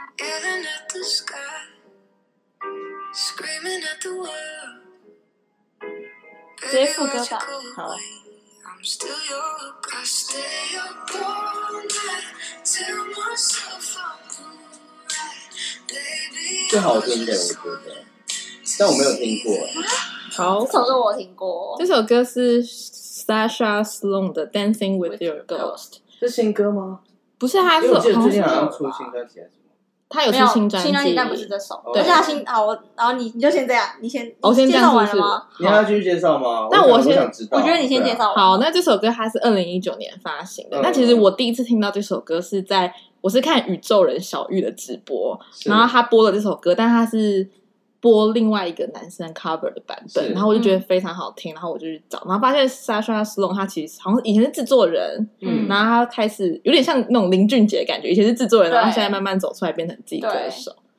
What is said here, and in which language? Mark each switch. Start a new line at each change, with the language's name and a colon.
English: Yelling at the sky, screaming at the world. Baby, let you go away. I'm still yours. I stay up all night, tell myself I'm alright.
Chinese: Baby, 最好听的，我觉得。但我没有听过。好，这首歌我听过。这首歌是 Sasha Sloan 的《Dancing with Your Ghost》。是新歌吗？不是，他是我记得最近好像出新歌，写什么？他有出新专辑，新专辑但不是这首。对，而且他新好，然后你就先这样，我先介绍完了吗？你要继续介绍吗？但我先，我觉得你先介绍。好，那这首歌它是2019年发行的。那其实我第一次听到这首歌是在，我是看宇宙人小玉的直播，然后他播了这首歌，但他是播另外一个男生 cover 的版本，然后我就觉得非常好听，然后我就去找，然后发现 Sasha Sloan 他其实好像以前是制作人，然后他开始有点像那种林俊杰的感觉，以前是制作人，然后现在慢慢走出来变成自己歌手。